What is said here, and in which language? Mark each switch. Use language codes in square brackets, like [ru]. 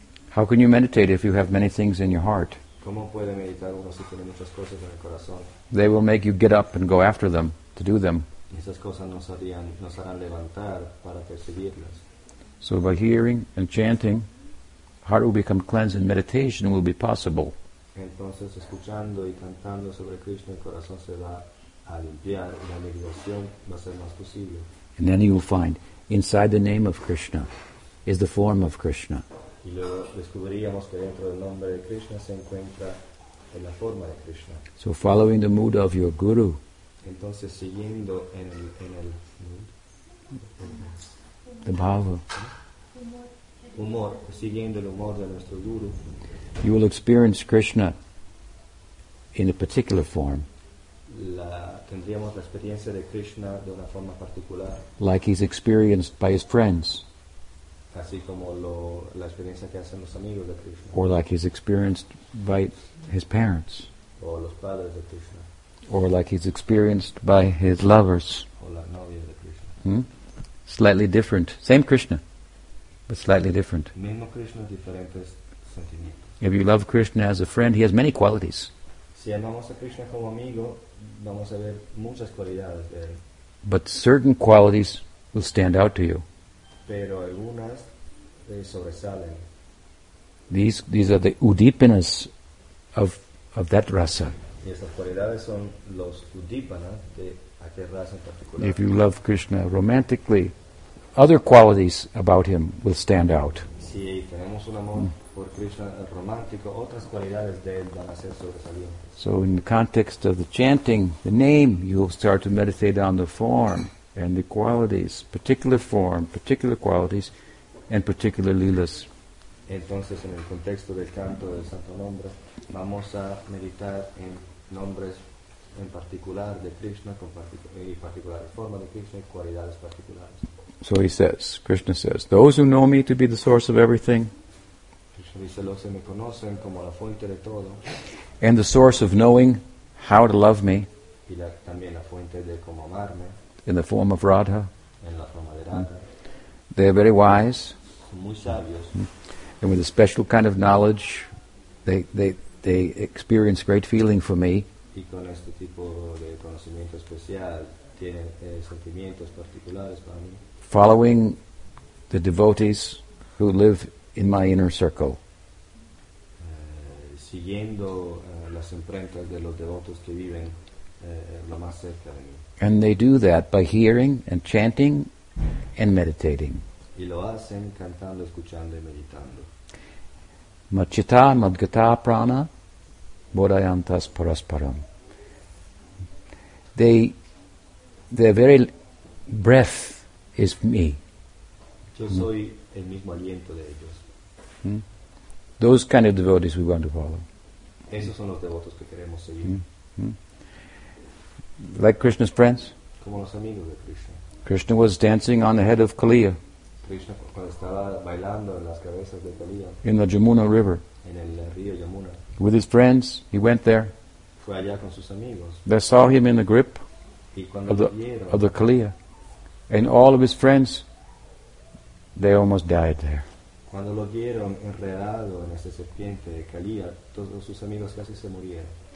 [en] How can you meditate if you have many things in your heart? [es] ¿Cómo puede meditar uno si tiene muchas cosas en el corazón? [en] They will make you get up and go after them, to do them. [es] Esas cosas nos harán levantar para perseguirlas. [en] So by hearing and chanting, heart will become cleansed and meditation will be possible. [es] Entonces, escuchando y cantando sobre Krishna, el corazón se va a limpiar y la meditación va a ser más posible. [en] And then you will find, inside the name of Krishna, is the form of Krishna. [es] Y luego descubriríamos que dentro del nombre de Krishna se encuentra en la forma de Krishna. [en] So following the mood of your guru. [es] Entonces siguiendo en el [en] the bhava. [es] Humor, siguiendo el humor de nuestro guru. [en] You will experience Krishna in a particular form. [es] Tendríamos la experiencia de Krishna de una forma particular. [en] Like he's experienced by his friends. [es] Así como la experiencia que hacen los amigos de Krishna. [en] Or like he's experienced by his parents. [es] O los padres de Krishna. [en] Or like he's experienced by his lovers. [es] O la novia de Krishna. [en] Slightly different. Same Krishna, but slightly different. [es] Mismo Krishna, diferentes sentimientos. [en] If you love Krishna as a friend, he has many qualities. [es] Si amamos a Krishna como amigo, vamos a ver muchas cualidades de él. [en] But certain qualities will stand out to you. [es] Pero algunas sobresalen. [en] These are the udipanas of that rasa. [es] Y estas cualidades son los udipanas de aquel rasa en particular. [en] If you love Krishna romantically, other qualities about him will stand out. [es] Si tenemos un amor por Krishna romántico, otras cualidades de él van a ser sobresalientes. [en] So in the context of the chanting, the name, you will start to meditate on the form. And the qualities, particular form, particular qualities, and particular lilas. [es] Entonces, en el contexto del canto del santo nombre, vamos a meditar en nombres en particular de Krishna, con particular forma de Krishna, cualidades particulares. [en] So he says, Krishna says, those who know me to be the source of everything, [es] Krishna dice, los que me conocen como la fuente de todo, [en] and the source of knowing how to love me, [es] y la, también la fuente de cómo amarme, [en] in the form of Radha. [es] En la forma de Radha. [en] They are very wise. [es] Son muy sabios. [en] And with a special kind of knowledge, they experience great feeling for me. [es] Y con este tipo de conocimiento especial, tienen sentimientos particulares para mí. [en] Following the devotees, who live in my inner circle. [es] Siguiendo las imprentas de los devotos que viven lo más cerca de mí. [en] And they do that by hearing and chanting and meditating. [es] Y lo hacen cantando, escuchando y meditando. [sa] Machita madgata prana bodhayantas parasparam. [en] They, their very breath is me. [es] Yo soy el mismo aliento de ellos. Hmm? [en] Those kind of devotees we want to follow. [es] Esos son los devotos que queremos seguir. Hmm? [en] Like Krishna's friends. [es] Como los amigos de Krishna. [en] Krishna was dancing on the head of Kaliya. [es] Krishna cuando estaba bailando en las cabezas de Kaliya. [en] In the Yamuna River. [es] En el río Yamuna. [en] With his friends, he went there. [es] Fue allá con sus amigos. [en] They saw him in the grip of the Kaliya. And all of his friends, they almost died there. [es] Cuando lo vieron enredado en esa serpiente de Kaliya, todos sus amigos casi se murieron.